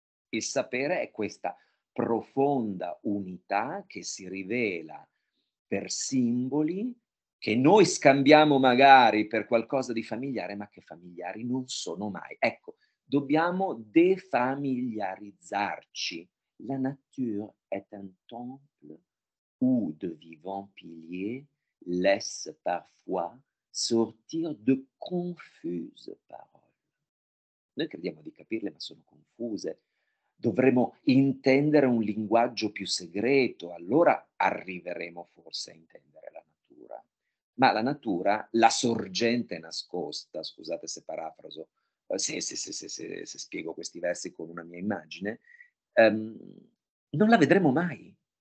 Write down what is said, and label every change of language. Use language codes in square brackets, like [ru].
[it] Il sapere è questa profonda unità che si rivela per simboli che noi scambiamo magari per qualcosa di familiare, ma che familiari non sono mai. Ecco, dobbiamo defamiliarizzarci. [fr] La nature est un temple où de vivants piliers laissent parfois sortir de confuses paroles. [it] Noi crediamo di capirle, ma sono confuse. Dovremo intendere un linguaggio più segreto, allora arriveremo forse a intendere la natura. Ma la natura, la sorgente nascosta, scusate se parafraso, se spiego questi versi con una mia immagine, non la vedremo mai.